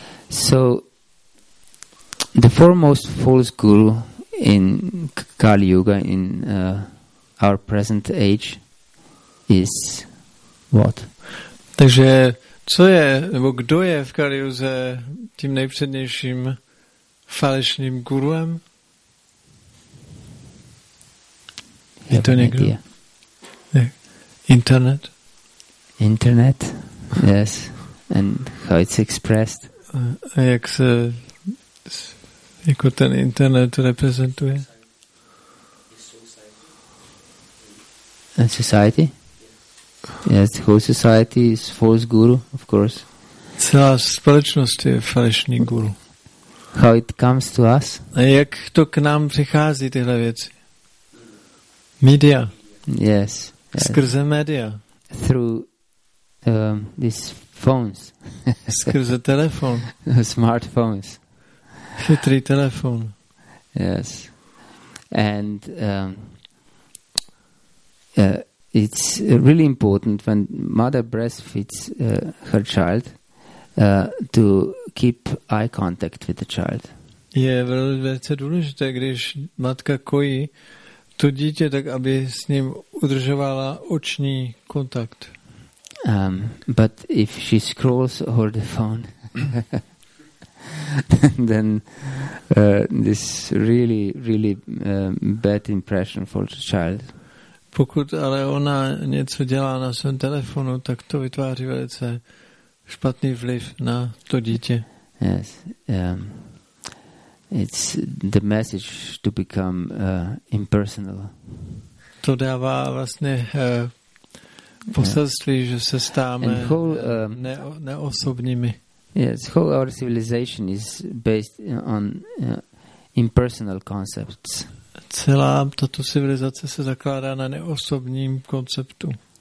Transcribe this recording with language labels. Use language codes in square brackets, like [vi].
[en] So the foremost false guru in Kali Yuga, in our present age, is what? [cs] Takže co je, nebo kdo je v Kali Yuze tím nejpřednějším falešným guruem? Je to někdo? Idea. [en] Internet. Internet, yes. And how it's expressed. [cs] A jak se jako ten internet reprezentuje? [en] And society? Yes, the whole society is false guru, of course. [cs] Celá společnost je falešný guru. [en] How it comes to us? [cs] A jak to k nám přichází, tyhle věci? [en] Media. Yes. [cs] Skrze média. [en] Through these phones. [cs] Skrze telefon. [en] Smartphones. [cs] Chytrý telefon. [en] Yes. And it's really important when mother breastfeeds her child to keep eye contact with the child. [cs] Je velice důležité, když matka kojí to dítě, tak aby s ním udržovala oční kontakt. [en] But if she scrolls over the phone, then this really, really bad impression for the child. [cs] Pokud ale ona něco dělá na svém telefonu, tak to vytváří velice špatný vliv na to dítě. [en] Yes. It's the message to become impersonal. [cs] To dává vlastně poselství, yeah, že se stáváme neosobními. [en] Yes, whole our civilization is based on impersonal concepts. [cs] Celá tato civilizace se zakládá na neosobním konceptu.